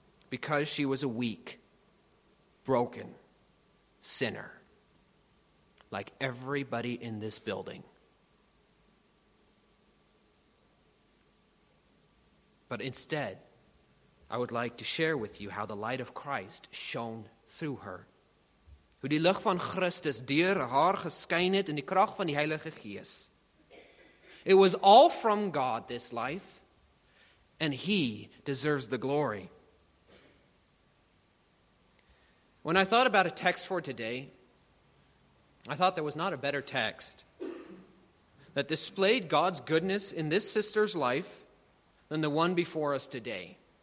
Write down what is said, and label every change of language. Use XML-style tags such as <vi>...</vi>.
<en>Because she was a weak, broken sinner. Like everybody in this building. But instead, I would like to share with you how the light of Christ shone through her.</en> <af>Hoe die lig van Christus deur haar geskyn het in die krag van die Heilige Gees.</af> <en>It was all from God, this life, and he deserves the glory. When I thought about a text for today, I thought there was not a better text that displayed God's goodness in this sister's life than the one before us today.</en>